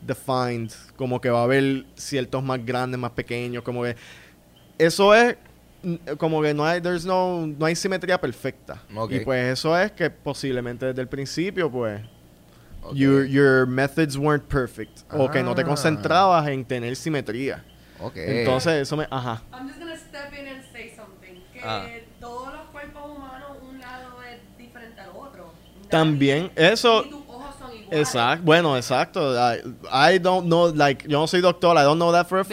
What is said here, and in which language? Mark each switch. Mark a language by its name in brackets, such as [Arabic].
[Spanish] Defined, como que va a haber ciertos más grandes, más pequeños, como que eso es como que no hay simetría perfecta. [English] Okay. [Spanish] Y pues eso es que posiblemente desde el principio, pues, okay, [English] your methods weren't perfect. [Spanish] Ah. O que no te concentrabas en tener simetría. [English] Okay. [Spanish] Entonces eso me... Ajá. [English] I'm just gonna step in and say something. [Spanish] Que todos los cuerpos humanos, un lado es diferente al otro. También, eso... Y tus ojos son iguales. Exacto. Bueno, exacto. [English] I don't know, like, [Spanish] yo no soy doctor, [English] I don't know that for a fact.